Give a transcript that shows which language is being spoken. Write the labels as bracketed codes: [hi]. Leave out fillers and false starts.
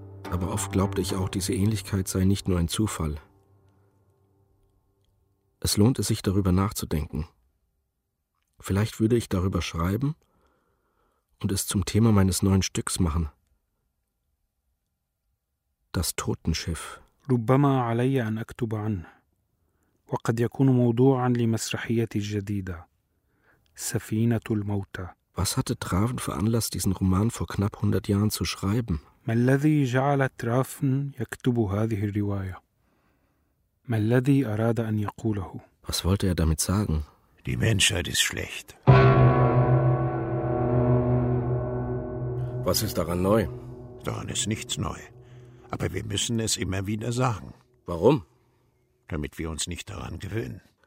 [de] Aber oft glaubte ich auch, diese Ähnlichkeit sei nicht nur ein Zufall. Es lohnte sich, darüber nachzudenken. Vielleicht würde ich darüber schreiben und es zum Thema meines neuen Stücks machen. Das Totenschiff. [ar] ربما علي أن أكتب عنه، وقد يكون موضوعا لمسرحيتي الجديدة، سفينة الموتى. [de] Was hatte Trafen veranlasst, diesen Roman vor knapp 100 Jahren zu schreiben? [ar] ما الذي جعل ترافن يكتب هذه الرواية؟ ما الذي أراد أن يقوله؟ [de] Was wollte er damit sagen? Die Menschheit ist schlecht. Was ist daran neu? Daran ist nichts neu. Aber wir müssen es immer wieder sagen. Warum? Damit wir uns nicht daran gewöhnen.